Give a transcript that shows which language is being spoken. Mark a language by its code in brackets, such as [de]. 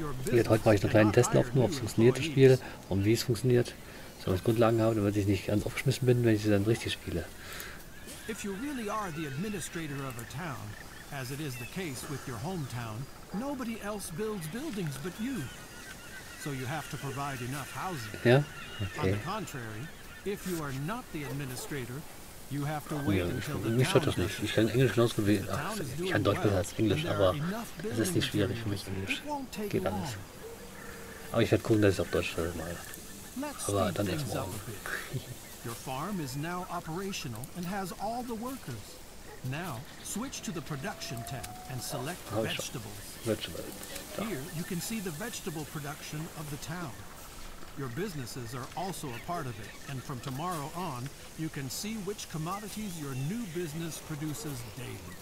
[de] Jetzt heute mache ich einen kleinen Test noch, nur ob es funktioniert, das Spiel, und wie es funktioniert. So, wenn ich Grundlagen habe, damit ich nicht ganz aufgeschmissen bin, wenn ich es dann richtig spiele. [en] If you really are the administrator of a town, as it is the case with your hometown, nobody else builds buildings but you. So you have to provide enough housing. Yeah, okay. On the contrary, if you are not the administrator, you have to wait until the town. [de] Ich kann Englisch genauso wie ich kann Deutsch besser als Englisch, aber es ist nicht schwierig für mich Englisch. Geht alles. Aber ich werde gucken, dass ich auf Deutsch mal. Aber dann erst morgen. [en] Your farm is now operational and has all the workers. Now, switch to the production tab and select vegetables. Here, you can see the vegetable production of the town. Your businesses are also a part of it, and from tomorrow on, you can see which commodities your new business produces daily.